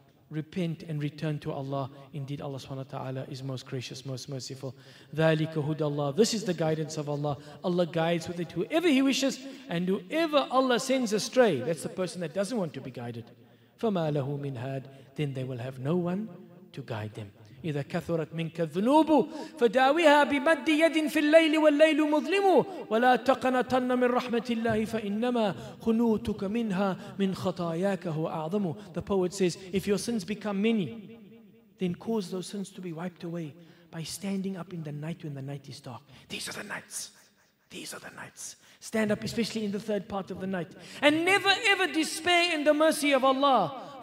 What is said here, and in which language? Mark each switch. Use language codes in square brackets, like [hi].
[en] Repent and return to Allah. Indeed, Allah subhanahu wa ta'ala is most gracious, most merciful. [ar] ذَلِكَ هُدَى اللَّهِ. [en] This is the guidance of Allah. Allah guides with it whoever He wishes, and whoever Allah sends astray, that's the person that doesn't want to be guided. [ar] فَمَا لَهُ مِنْ هَادٍ. [en] Then they will have no one to guide them. [ar] إذا كثرت منك الذنوب فداويها بمد يد في الليل والليل مظلم ولا تقنطن من رحمة الله فإنما خنوتك منها من خطاياك هو أعظم. [en] The poet says, if your sins become many, then cause those sins to be wiped away by standing up in the night when the night is dark. These are the nights. These are the nights. Stand up, especially in the third part of the night. And never ever despair in the mercy of Allah.